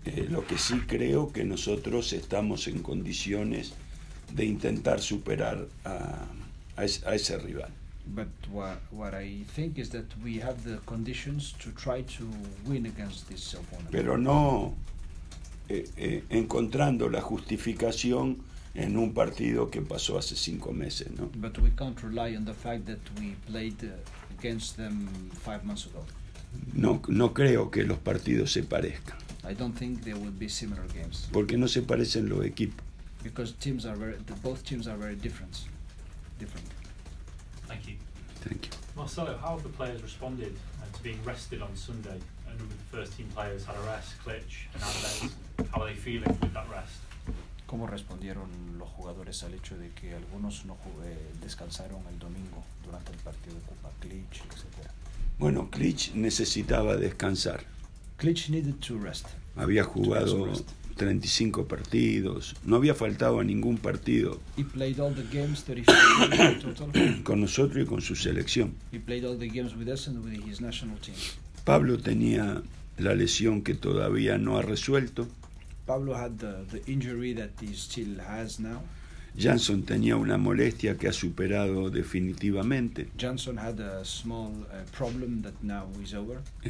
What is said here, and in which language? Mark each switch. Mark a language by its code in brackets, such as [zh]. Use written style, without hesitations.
[es] Lo que sí creo que nosotros estamos en condiciones de intentar superar a ese rival. [en] But what I think is that we have the conditions to try to win against this opponent. [es] Pero no encontrando la justificación en un partido que pasó hace cinco meses, ¿no? [en] But we can't rely on the fact that we played against them 5 months ago. [es] No creo que los partidos se parezcan. [en] I don't think they would be similar games. [es] Porque no se parecen los equipos. [en] Because both teams are very different. Thank you. Thank you. Marcelo, how have the players responded to being rested on Sunday? A number of the first team players had a rest, Klitsch and Alves. How are they feeling with that rest? [es] ¿Cómo respondieron los jugadores al hecho de que algunos no descansaron el domingo durante el partido de Copa, Klitsch, etcétera? Bueno, Klitsch necesitaba descansar. [en] Klitsch needed to rest. [es] Había jugado 35 partidos, no había faltado a ningún partido. [en] He played all the games, 35 games total. [es] Con nosotros y con su selección. [en] He played all the games with us and with his national team. [es] Pablo tenía la lesión que todavía no ha resuelto. [en] Pablo had the injury that he still has now. [es] Jansson tenía una molestia que ha superado definitivamente. [en] Jansson had a small problem that now is over.